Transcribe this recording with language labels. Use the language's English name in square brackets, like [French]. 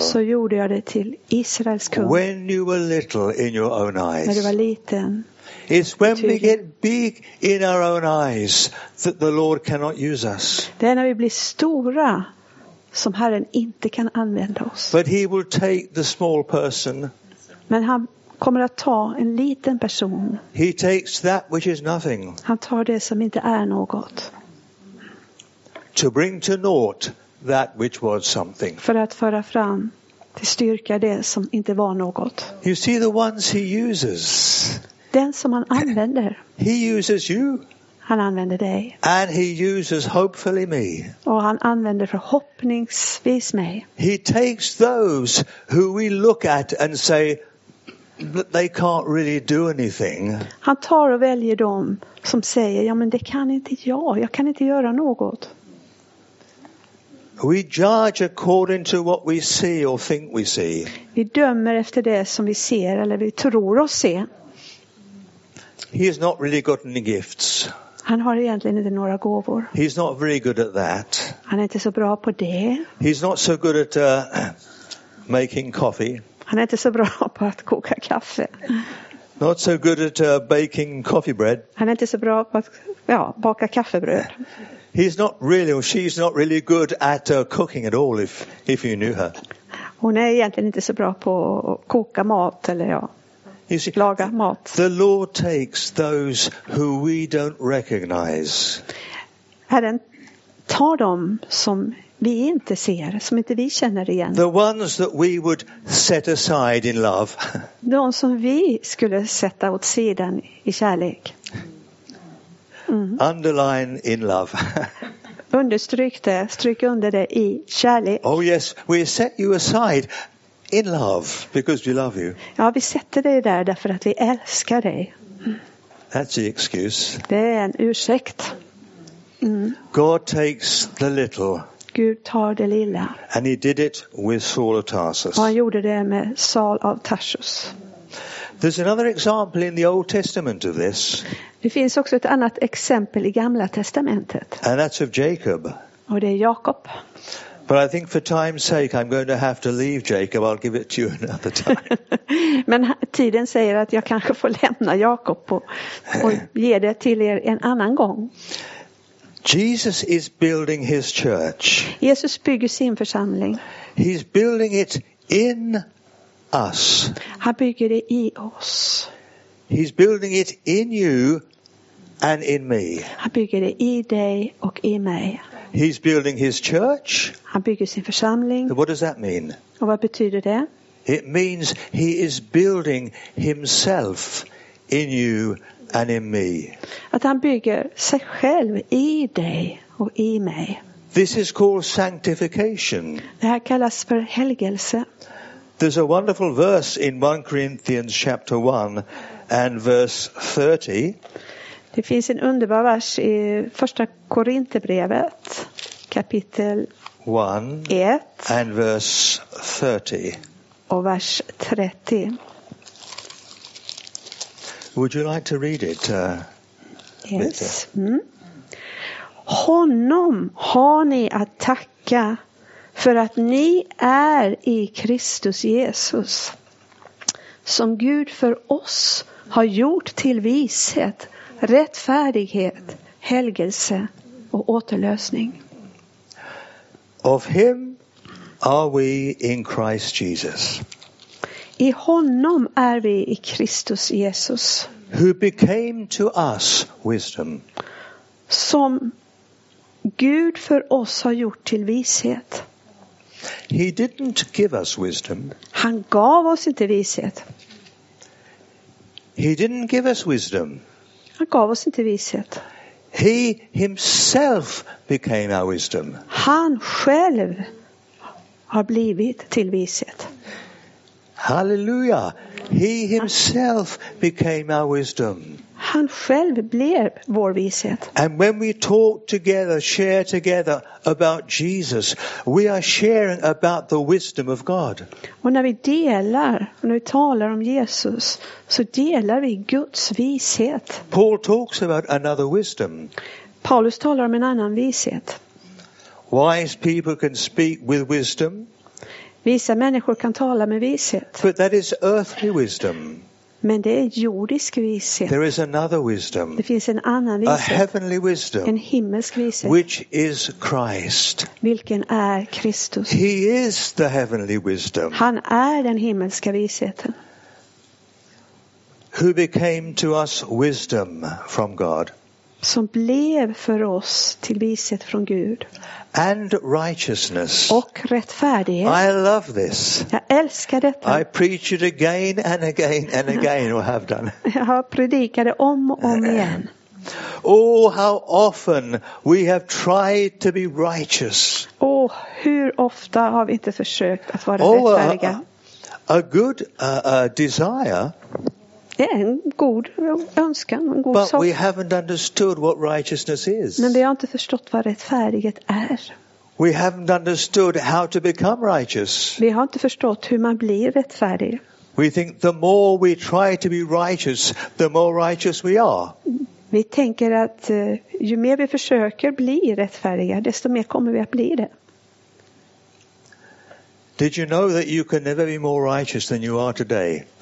[Swedish] Så gjorde jag dig till Israels kung. [English] When you were little in your own eyes. [Swedish] När du var liten. [English] It's when we get big in our own eyes that the Lord cannot use us. [Swedish] Det är när vi blir stora som Herren inte kan använda oss. [English] But he will take the small person. [Swedish] Men han kommer att ta en liten person. [English] He takes that which is nothing. [Swedish] Han tar det som inte är något. [English] To bring to naught that which was something. [Swedish] För att föra fram Det styrkar det som inte var något. [English] You see the ones he uses. [Swedish] Den som han använder. [English] He uses you. [Swedish] Han använder dig. [English] And he uses hopefully me. [Swedish] Och han använder förhoppningsvis mig. [English] He takes those who we look at and say they can't really do anything. [Swedish] Han tar och väljer dem som säger, ja men det kan inte jag. Jag kan inte göra något. [English] We judge according to what we see or think we see. [Swedish] Vi dömer efter det som vi ser eller vi tror oss se. [English] He has not really got any gifts. [Swedish] Han har egentligen inte några gåvor. [English] He's not very good at that. [Swedish] Han är inte så bra på det. [English] He's not so good at making coffee. [Swedish] Han är inte så bra på att koka kaffe. [English] Not so good at baking coffee bread. [Swedish] Han är inte så bra på att baka kaffebröd. [English] He's not really, or she's not really good at cooking at all, if you knew her. [Swedish] Hon är egentligen inte så bra på att koka mat eller laga mat. [English] The Lord takes those who we don't recognize. [Swedish] Herren tar dem som vi inte ser, som inte vi känner igen. [English] The ones that we would set aside in love. [Swedish] De som vi skulle sätta åt sidan i kärlek. [English] Mm. Underline in love. [Swedish] Understryk det, stryk under det i kärlek. [English] Oh yes, we set you aside in love because we love you. [Swedish] Ja, vi sätter dig där därför att vi älskar dig. [English] That's the excuse. [Swedish] Det är en ursäkt. [English] God takes the little. [Swedish] Gud tar det lilla. [English] And he did it with Saul of Tarsus. [Swedish] Och han gjorde det med Saul av Tarsus. [English] There's another example in the Old Testament of this. [Swedish] Det finns också ett annat exempel i Gamla testamentet. [English] And that's of Jacob. [Swedish] Och det är Jakob. [English] But I think for time's sake I'm going to have to leave Jacob. I'll give it to you another time. [Swedish] Men tiden säger att jag kanske får lämna Jakob och ge det till er en annan gång. [English] Jesus is building his church. [Swedish] Jesus bygger sin församling. [English] He's building it in us. [Swedish] Han bygger det i oss. [English] He's building it in you and in me. [Swedish] Han bygger det i dig och i mig. [English] He's building his church. [Swedish] Han bygger sin församling. [English] What does that mean? [Swedish] Och vad betyder det? [English] It means he is building himself in you and in me. [Swedish] Att han bygger sig själv i dig och i mig. [English] This is called sanctification. [Swedish] Det här kallas för helgelse. [English] There's a wonderful verse in 1 Corinthians chapter 1 and verse 30. [Swedish] Det finns en underbar vers i första Korinthierbrevet kapitel 1 [English] and verse 30. [Swedish] Och vers 30. [English] Would you like to read it? Yes. [Swedish] Honom har ni att tacka för att ni är i Kristus Jesus, som Gud för oss har gjort till vishet, rättfärdighet, helgelse och återlösning. [English] Of him are we in Christ Jesus. [Swedish] I honom är vi i Kristus Jesus. [English] Who became to us wisdom. [Swedish] Som Gud för oss har gjort till vishet. [English] He didn't give us wisdom. [Swedish] Han gav oss inte vishet. [English] He didn't give us wisdom. [Swedish] Han gav oss inte vishet. [English] He himself became our wisdom. [Swedish] Han själv har blivit till vishet. Halleluja. [English] He himself became our wisdom. [Swedish] Han själv blev vår vishet. [English] And when we talk together, share together about Jesus, we are sharing about the wisdom of God. [Swedish] Och när vi delar, när vi talar om Jesus, så delar vi Guds vishet. [English] Paul talks about another wisdom. [Swedish] Paulus talar om en annan vishet. [English] Wise people can speak with wisdom. [Swedish] Visa människor kan tala med vishet. [English] But that is earthly wisdom. [Swedish] Men det är jordisk vishet. [English] There is another wisdom. [Swedish] Det finns en annan vishet. [English] A heavenly wisdom. [Swedish] En himmelsk vishet. [English] Which is Christ. [Swedish] Vilken är Kristus? [English] He is the heavenly wisdom. [Swedish] Han är den himmelska visheten. [English] Who became to us wisdom from God? [Swedish] som blev för oss till vishet från Gud. [English] And righteousness. [Swedish] Och rättfärdighet. [English] I love this. [Swedish] Jag älskar detta. [English] I preach it again and again and again or have done. [Swedish] Jag predikade om och om igen. [English] Oh, how often we have tried to be righteous. [Swedish] Oh, hur ofta har vi inte försökt att vara rättfärdiga? [English] A good desire. [Swedish] Det är en god önskan, en god [English] but [Swedish] sak. [English] But we haven't understood what righteousness is. [Swedish] Men vi har inte förstått vad rättfärdighet är. [English] We haven't understood how to become righteous. [Swedish] Vi har inte förstått hur man blir rättfärdig. [English] We think the more we try to be righteous, the more righteous we are. [Swedish] Vi tänker att ju mer vi försöker bli rättfärdiga, desto mer kommer vi att bli det. [English] Did you know that you can never be more righteous than you are today?